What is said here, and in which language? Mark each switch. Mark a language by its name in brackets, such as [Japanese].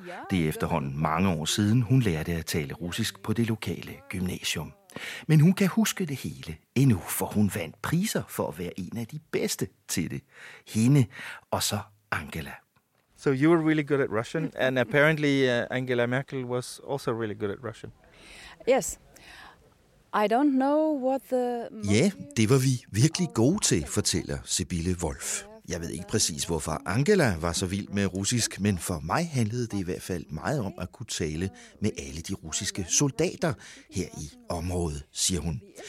[Danish] Det er efterhånden mange år siden, hun lærte at tale russisk på det lokale gymnasium. Men hun kan huske det hele endnu, for hun vandt priser for at være en af de bedste til det. Hende og så Angela. [English] So you were really good at Russian, and apparently Angela Merkel was also really good at Russian. Yes. I don't know what the... [Danish] Ja, det var vi virkelig gode til, fortæller Sibylle Wolf. Jeg ved ikke præcis, hvorfor Angela var så vild med russisk, men for mig handlede det i hvert fald meget om at kunne tale med alle de russiske soldater her i området, siger hun.